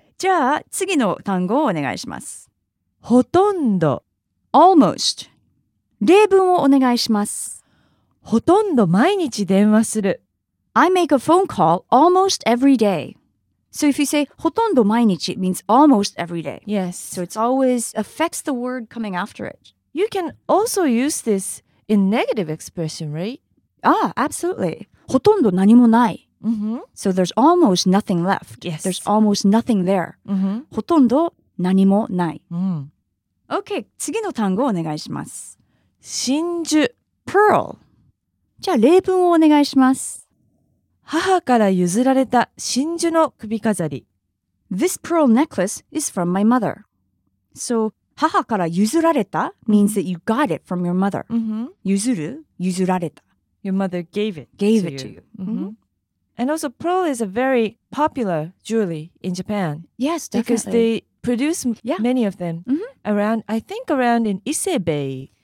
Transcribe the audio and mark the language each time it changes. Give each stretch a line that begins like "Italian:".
Japanese: じゃあ、次の単語をお願いします。ほとんど。
English: Almost.
Japanese: 例文をお願いします。ほとんど毎日電話する。
English: I make a phone call almost every day. So if you say
Japanese: ほとんど毎日,
English: it means almost every day. Yes. So it's always affects the word coming after it. You can also use this in negative expression, right? Ah, absolutely.
Japanese: ほとんど何もない。 Mm-hmm.
English: So there's almost nothing left. Yes. There's almost nothing there. Mm-hmm.
Japanese: ほとんど何もない。 Mm. Okay, 次の単語をお願いします。真珠。
English: Pearl.
Japanese: じゃあ例文をお願いします。母から譲られた真珠の首飾り。
English: This pearl necklace is from my mother. So,
Japanese: 母から譲られた
English: means that you got it from your mother. Mm-hmm.
Japanese: 譲る、譲られた。
English: Your mother gave it to you. Mm-hmm. And also, pearl is a very popular jewelry in Japan. Yes, definitely. Because they produce many of them around, I think around in Isebe.